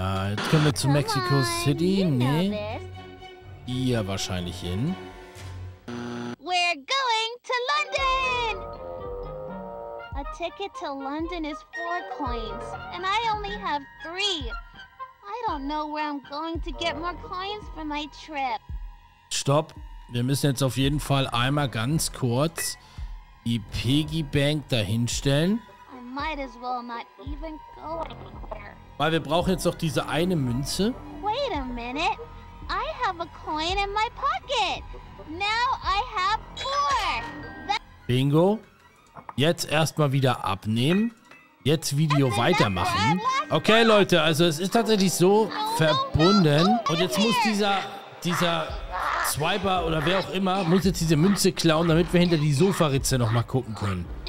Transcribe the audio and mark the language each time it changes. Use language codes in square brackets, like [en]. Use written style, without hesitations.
[de] Jetzt können wir zu Mexico City. Nee. Hier wahrscheinlich hin. [en] We're going to London! A ticket to London is 4 coins, and I only have 3. I don't know where I'm going to get more coins for my trip. [de] Stopp. Wir müssen jetzt auf jeden Fall einmal ganz kurz die Piggy Bank dahinstellen. [en] I might as well not even go anywhere. [de] Weil wir brauchen jetzt noch diese eine Münze. [en] Wait a minute. I have a coin in my pocket. Now I have 4. [de] Bingo. Jetzt erstmal wieder abnehmen. Jetzt Video weitermachen. Okay, Leute, also es ist tatsächlich so verbunden. Und jetzt muss dieser Swiper oder wer auch immer, muss jetzt diese Münze klauen, damit wir hinter die Sofaritze nochmal gucken können.